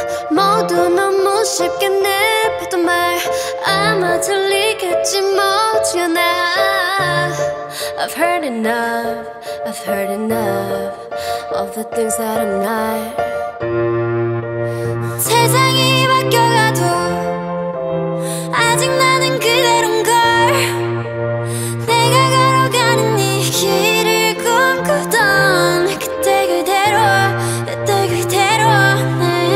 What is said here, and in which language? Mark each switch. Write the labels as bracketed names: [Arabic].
[Korean] 모두 너무 쉽게 내뱉은 말 아마 들리겠지 뭐지요. [English] 나 I've heard enough, I've heard enough of the things that I'm not. [Korean] 세상이 바뀌어가도 아직 나는 그대로인걸. 내가 걸어가는 이 길을 꿈꾸던 그때 그대로, 그때 그대로. 네.